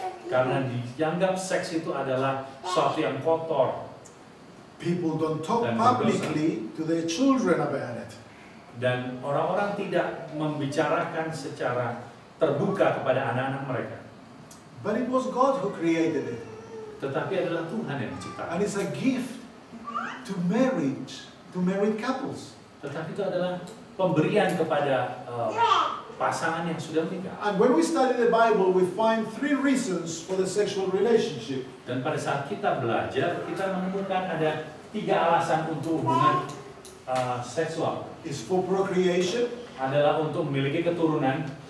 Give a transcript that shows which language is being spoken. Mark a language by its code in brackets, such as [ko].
[id] Karena dianggap seks itu adalah sesuatu yang kotor. [en] People don't talk publicly to their children about it. [id] Dan orang-orang tidak membicarakan secara terbuka kepada anak-anak mereka. [en] But it was God who created it. [id] Tetapi adalah Tuhan yang menciptakan. [en] And it's a gift to marriage, to married couples. [id] Tetapi itu adalah pemberian kepada pasangan yang sudah menikah. [en] And when we study the Bible, we find three reasons for the sexual relationship. [id] Dan pada saat kita belajar, kita menemukan ada tiga alasan untuk hubungan seksual. [en] Is for procreation. [id] Adalah untuk memiliki keturunan.